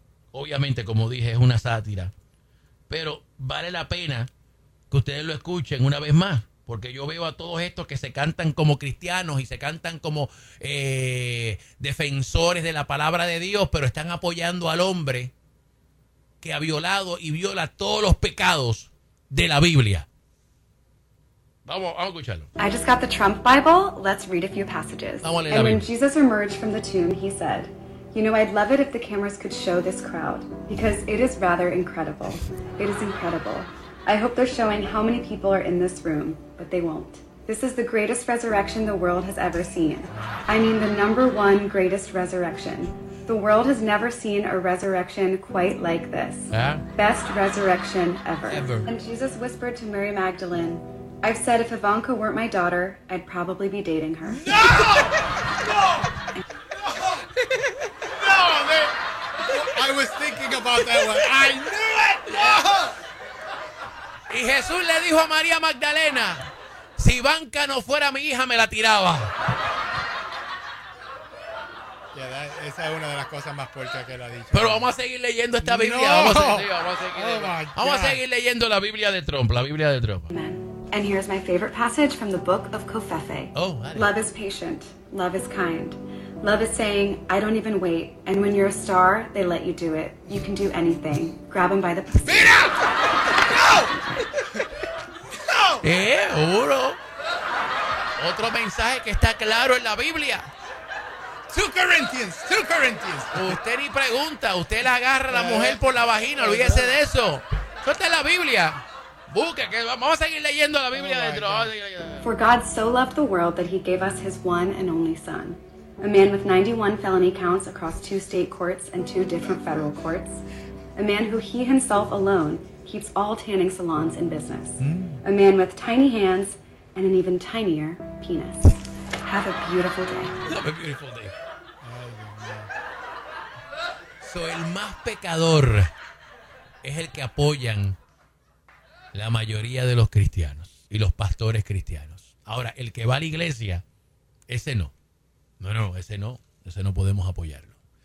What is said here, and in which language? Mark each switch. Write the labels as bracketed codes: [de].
[es] Obviamente, como dije, es una sátira, pero vale la pena que ustedes lo escuchen una vez más, porque yo veo a todos estos que se cantan como cristianos y se cantan como defensores de la palabra de Dios, pero están apoyando al hombre que ha violado y viola todos los pecados de la Biblia. Vamos a escucharlo. [en] I just got the Trump Bible. Let's read a few passages. [es] Vamos a leer la Biblia. [en] And when Jesus emerged from the tomb, he said, "You know, I'd love it if the cameras could show this crowd, because it is rather incredible. It is incredible. I hope they're showing how many people are in this room, but they won't. This is the greatest resurrection the world has ever seen. I mean, the number one greatest resurrection. The world has never seen a resurrection quite like this. Best resurrection ever. Ever." And Jesus whispered to Mary Magdalene, "I've said if Ivanka weren't my daughter, I'd probably be dating her." No! No! No! No! I was thinking about that one. I knew it! No! [es] Y Jesús le dijo a María Magdalena, si Ivanka no fuera mi hija, me la tiraba. [en] Yeah, [es] esa es una de las cosas más fuertes que él ha dicho. Pero vamos a seguir leyendo esta Biblia. No. Vamos a seguir leyendo la Biblia de Trump. Amen. [en] And here's my favorite passage from the book of Covfefe. Oh, love is patient. Love is kind. Love is saying, I don't even wait. And when you're a star, they let you do it. You can do anything. Grab them by the pussy. [es] Mira! Seguro. Otro mensaje que está claro en la Biblia. [en] 2 Corinthians. [es] Usted ni pregunta, usted la agarra a la mujer por la vagina, olvídese de eso. Eso está en la Biblia. Busque, que vamos a seguir leyendo la Biblia dentro. [en] For God so loved the world that he gave us his one and only son. A man with 91 felony counts across 2 state courts and 2 different federal courts. A man who he himself alone keeps all tanning salons in business. A man with tiny hands and an even tinier penis. Have a beautiful day. Have a beautiful day. [es] So, el más pecador es el que apoyan la mayoría de los cristianos y los pastores cristianos. Ahora, el que va a la iglesia, ese no. Ese no podemos apoyarlo.